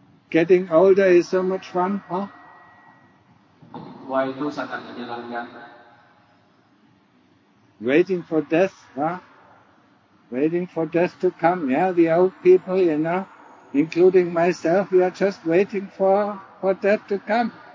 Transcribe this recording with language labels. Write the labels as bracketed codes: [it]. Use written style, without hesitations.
[en] Getting older is so much fun, huh? [id] Tua itu sangat menyenangkan. [en] Waiting for death, huh? Waiting for death to come, yeah? The old people, you know, including myself, we are just waiting for death to come.